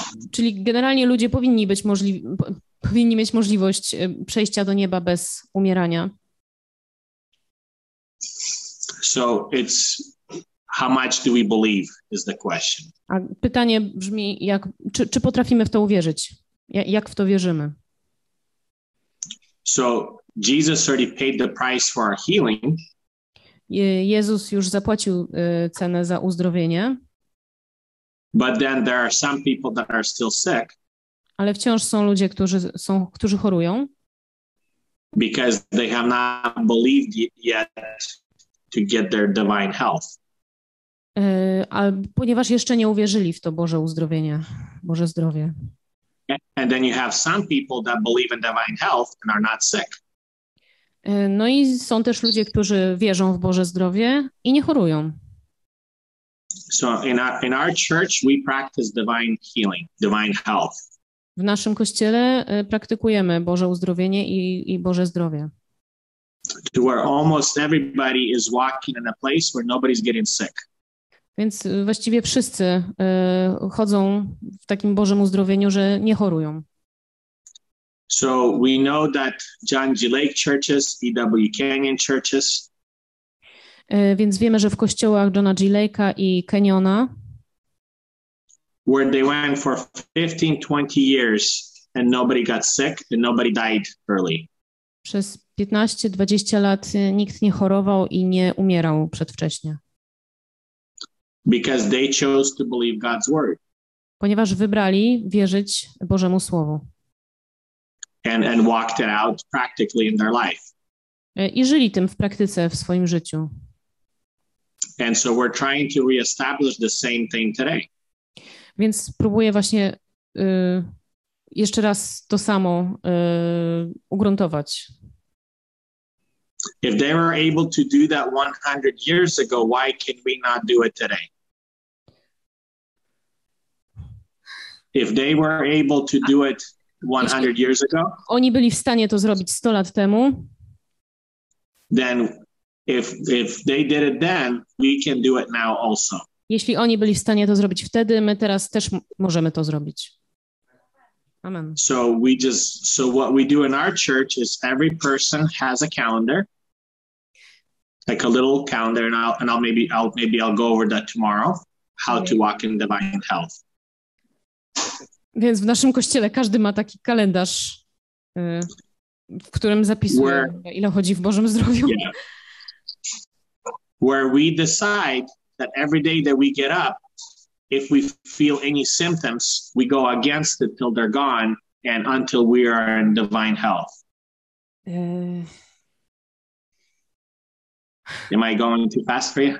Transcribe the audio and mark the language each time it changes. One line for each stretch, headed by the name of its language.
Polish: Czyli generalnie ludzie powinni być powinni mieć możliwość przejścia do nieba bez umierania.
English: So it's how much do we believe is the question.
Polish: A pytanie brzmi, czy potrafimy w to uwierzyć? Jak w to wierzymy?
English: So Jesus already paid the price for our healing.
Polish: Jezus już zapłacił cenę za uzdrowienie.
English: But then there are some people that are still sick.
Polish: Ale wciąż są ludzie, którzy chorują.
English: Because they have not believed yet to get their divine health.
Polish: Ponieważ jeszcze nie uwierzyli w to Boże uzdrowienie, Boże zdrowie.
English: And then you have some people that believe in divine health and are not sick.
Polish: No i są też ludzie, którzy wierzą w Boże zdrowie i nie chorują.
English: So in our church we practice divine healing, divine health.
Polish: W naszym kościele praktykujemy Boże uzdrowienie i Boże zdrowie.
English: To where almost everybody is walking in a place where nobody's getting sick.
Polish: Więc właściwie wszyscy chodzą w takim Bożym uzdrowieniu, że nie chorują.
English: So we know that John G. Lake churches, E.W. Canyon churches.
Polish: Więc wiemy, że w kościołach Johna G. Lake'a i Canyona,
English: where they went for 15-20 years and nobody got sick and nobody died early.
Polish: Przez 15-20 lat nikt nie chorował i nie umierał przedwcześnie.
English: Because they chose to believe God's word.
Polish: Ponieważ wybrali wierzyć Bożemu Słowu.
English: And walked it out practically in their life.
Polish: I żyli tym w praktyce w swoim życiu.
English: And so we're trying to reestablish the same thing today.
Polish: Więc próbuję właśnie jeszcze raz to samo ugruntować.
English: If they were able to do that 100 years ago, why can we not do it today? If they were able to do it 100 years ago,
Polish: oni byli w stanie to zrobić 100 lat temu,
English: then if they did it then, we can do it now also.
Polish: Jeśli oni byli w stanie to zrobić wtedy, my teraz też możemy to zrobić.
English: Amen. So what we do in our church is every person has a calendar, like a little calendar, and I'll go over that tomorrow, how to walk in divine health.
Polish: Więc w naszym kościele każdy ma taki kalendarz, w którym zapisuje, ile chodzi w Bożym zdrowiu.
English: Yeah. Where we decide that every day that we get up, if we feel any symptoms, we go against it till they're gone and until we are in divine health. Am I going too fast for you?